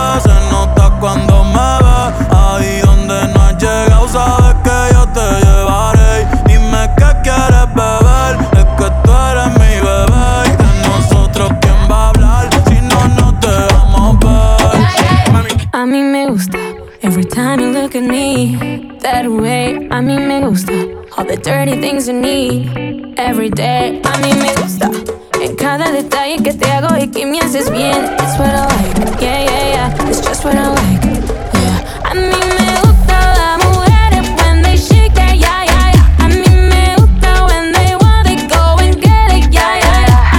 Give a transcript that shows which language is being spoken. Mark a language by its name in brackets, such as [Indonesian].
[Spanish] Se nota cuando me ves, ahí donde no has llegado, sabes que yo te llevaré. Dime qué quieres beber, es que tú eres mi bebé. Y de nosotros quién va a hablar, si no, no te vamos a ver. A mí me gusta, [English] every time you look at me that way. [Spanish] A mí me gusta, [English] all the dirty things you need every day. [Spanish] A mí me gusta, en cada detalle que te hago y que me haces bien. [English] It's what I like, yeah, yeah, yeah. It's just what I like, yeah. [Spanish] A mí me gusta la mujer [English] when they shake it, yeah, yeah, yeah. [Spanish] A mí me gusta [English] when they want it, go and get it, yeah, yeah, yeah.